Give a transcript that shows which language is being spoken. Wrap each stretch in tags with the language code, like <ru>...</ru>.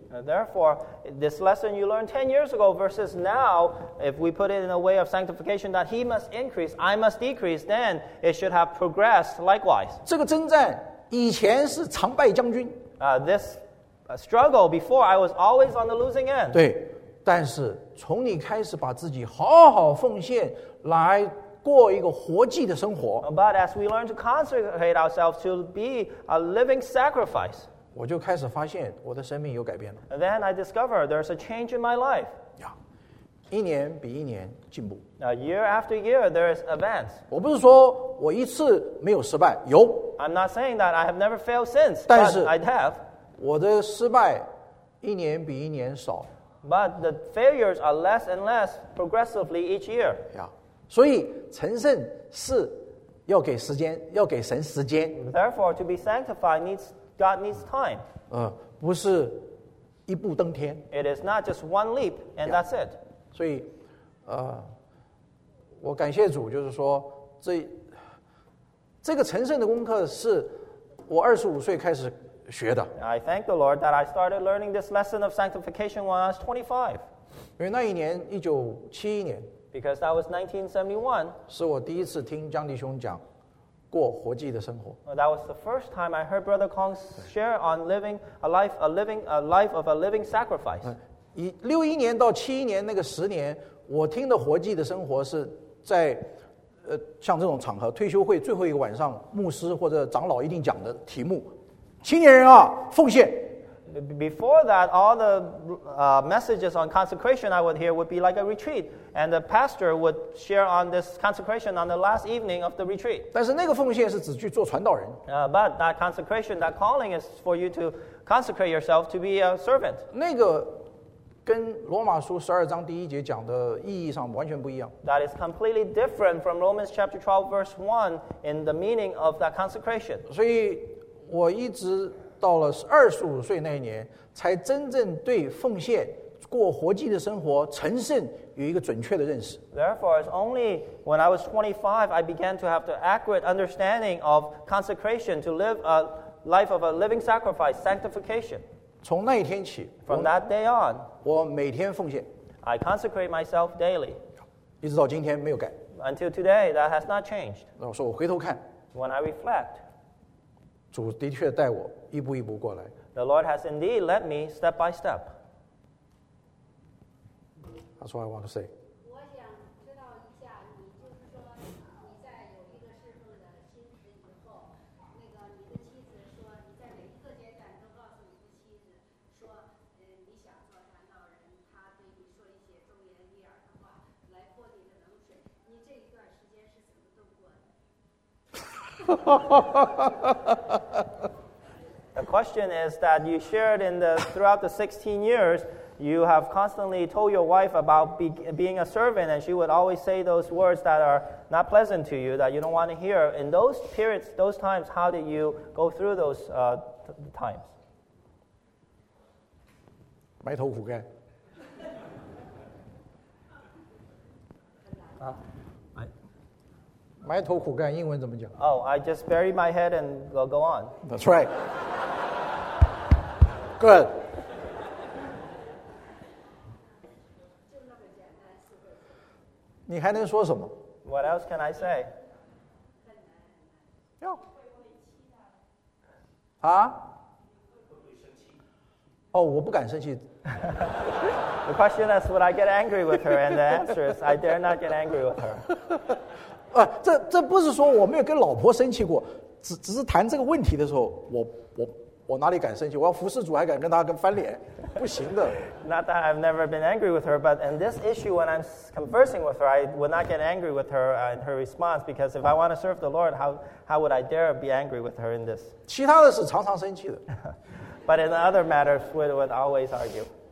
<en>Therefore, this lesson you learned 10 years ago versus now, if we put it in a way of sanctification that he must increase, I must decrease, then it should have progressed likewise.</en> <zh>这个征战以前是常败将军。</zh> <en>This struggle before, I was always on the losing end.</en> <zh>对，但是从你开始把自己好好奉献来过一个活祭的生活。</zh> <en>But as we learn to consecrate ourselves to be a living sacrifice,</en> <zh>我就开始发现我的生命有改变了。</zh> <en>Then I discover there's a change in my life.</en> <zh>一年比一年进步。</zh> <en>Year after year, there is advance.</en> <zh>我不是说我一次没有失败，有。</zh> <en>I'm not saying that I have never failed since,</en> <zh>但是</zh> <en>but I have.</en> <zh>我的失败一年比一年少。</zh> <en>But the failures are less and less progressively each year.</en> <zh>所以成圣是要给时间，要给神时间。</zh> <en>Therefore, to be sanctified, God needs time.</en> <zh>不是一步登天。</zh> <en>It is not just one leap, and that's it.</en> <zh>所以，我感谢主，就是说这个成圣的功课是我25岁开始学的。</zh> <en>I thank the Lord that I started learning this lesson of sanctification when I was 25.</en> <zh>因为那一年1971年。</zh> <en>Because that was 1971.</en> <zh>是我第一次听江弟兄讲过活祭的生活。</zh> <en>That was the first time I heard Brother Kong share on living a life, a life of a living sacrifice.</en> <zh>61年到71年那个10年，我听的活祭的生活是在像这种场合，退休会最后一个晚上，牧师或者长老一定讲的题目。青年人啊，奉献。</zh> <en>Before that, all the messages on consecration I would hear would be like a retreat, and the pastor would share on this consecration on the last evening of the retreat.</en> <zh>但是那个奉献是只去做传道人。</zh> <en>But that consecration, that calling is for you to consecrate yourself to be a servant.</en> <zh>那个跟罗马书12章1节讲的意义上完全不一样。</zh> <en>That is completely different from Romans chapter 12 verse 1 in the meaning of that consecration.</en> <zh>所以我一直到了25岁那一年，才真正对奉献、过活祭的生活、成圣有一个准确的认识。</zh> <en>Therefore, it's only when I was 25, I began to have the accurate understanding of consecration to live a life of a living sacrifice, sanctification.</en> <zh>从那一天起</zh> <en>，From that day on,</en> <zh>我每天奉献。</zh> <en>I consecrate myself daily.</en> <zh>一直到今天没有改。</zh> <en>Until today, that has not changed.</en> <zh>那我说我回头看。</zh> <en>When I reflect.</en> <zh>主的确带我一步一步过来。</zh> <en>The Lord has indeed led me step by step. That's what I want to say.</en> <zh>我想知道一下，你就是说你在有一个侍奉的心职以后，那个你的妻子说你在每一个阶段都告诉你的妻子说，你想做传道人，他对你说一些忠言逆耳的话来泼你的冷水，你这一段时间是怎么度过的？</zh> <en>The question is that you shared in the throughout the 16 years, you have constantly told your wife about being a servant, and she would always say those words that are not pleasant to you, that you don't want to hear. In those periods, those times, how did you go through those times?</en> <zh>埋头苦干。埋头苦干，英文怎么讲？</zh> <en>Oh, I just bury my head and we'll go on. That's right. Good.</en> <zh>你还能说什么？</zh> <en>What else can I say? 哟。啊？</en> <zh>哦，我不敢生气。</zh> <en>The question is, would I get angry with her? And the answer is, I dare not get angry with her.</en> <zh>这不是说我没有跟老婆生气过，只是谈这个问题的时候，我哪里敢生气？我要服侍主还敢跟他跟翻脸，不行的。</zh> <en>Not that I've never been angry with her, but in this issue when I'm conversing with her, I would not get angry with her in her response because if I want to serve the Lord, how would I dare be angry with her in this?</en> <zh>其他的是常常生气的。</zh> <en>But in other matters, we would always argue.</en>